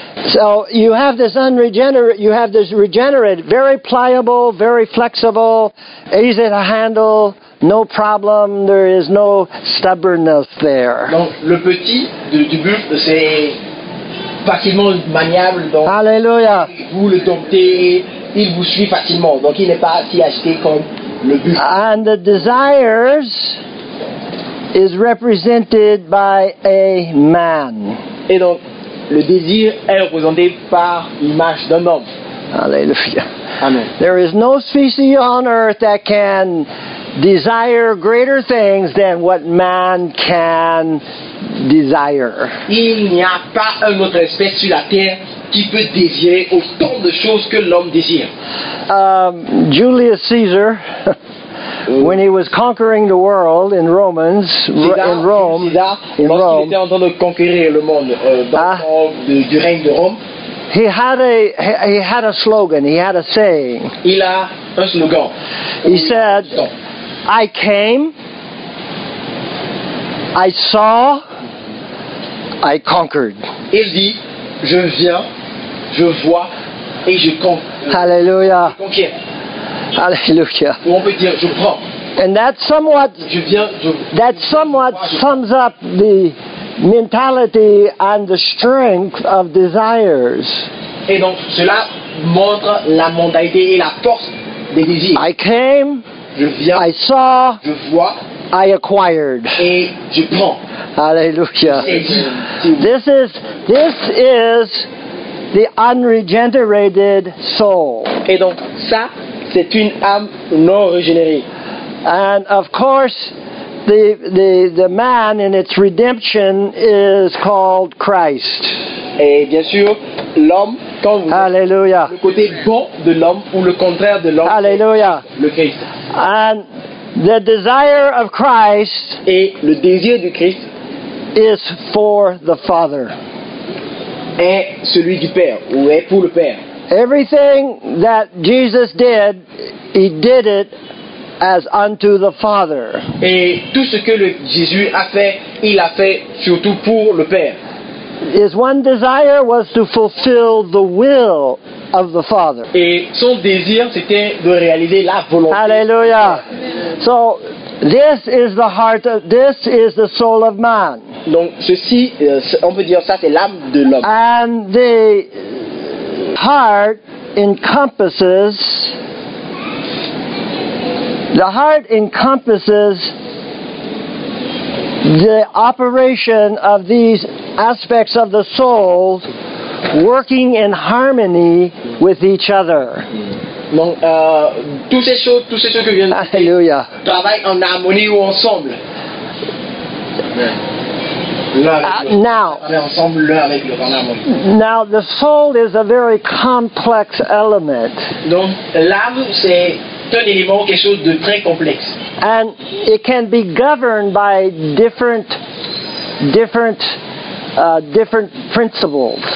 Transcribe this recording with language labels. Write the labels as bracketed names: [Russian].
[English] So you have this regenerated, very pliable, very flexible, easy to handle, no problem, there is no stubbornness there. [French] Donc le petit du buffle, c'est facilement maniable, donc. [English] Hallelujah. [French] Vous le domptez, il vous suit facilement, donc il n'est pas si agité comme le buffle. [English] And the desires is represented by a man. [French] Et donc le désir est représenté par l'image d'un homme. Alléluia. Amen. [English] There is no species on earth that can desire greater things than what man can desire. [French] Il n'y a pas une autre espèce sur la terre qui peut désirer autant de choses que l'homme désire. [English] Julius Caesar, when he was conquering the world in Romans, in Rome, [French] lorsqu'il était en train de conquérir le monde du règne de Rome, [English] he had a slogan, he had a saying. [French] Il a un slogan. [English] He said, I came, I saw, I conquered. [French] Il dit, je viens, je vois et je conquiers. [English] Hallelujah. [French] Hallelujah. Ou on peut dire, je prends. [English] And that somewhat sums up the mentality and the strength of desires. [French] Et donc cela montre la mentalité et la force des désirs. [English] I came, [French] je viens, [English] I saw, [French] je vois, [English] I acquired. [French] Et je prends. [English] Hallelujah. [French] C'est dit. [English] This is The unregenerated soul. [French] Et donc ça, c'est une âme non régénérée. [English] And of course, the man in its redemption is called Christ. [French] Et bien sûr, l'homme, quand vous Alléluia. Le côté bon de l'homme ou le contraire de l'homme, Alléluia. Le Christ. [English] And the desire of Christ [French] et le désir du Christ [English] is for the Father. [French] Est celui du Père ou est pour le Père. [English] Everything that Jesus did, he did it as unto the Father. [French] Et tout ce que Jésus a fait, il a fait surtout pour le Père. [English] His one desire was to fulfill the will of the Father. [French] Et son désir, c'était de réaliser la volonté. [English] Hallelujah. So this is the heart of, this is the soul of man. [French] Donc ceci, on peut dire ça, c'est l'âme de l'homme. [English] And the heart encompasses the operation of these aspects of the soul working in harmony with each other. [French] Donc, tout ces choses que je viens de dire, Alléluia. Travaillent en harmonie ou ensemble. [English] Now, the soul is a very complex element. [French] Donc, l'âme, c'est un élément, quelque chose de très complexe. [English] And it can be governed by different principles.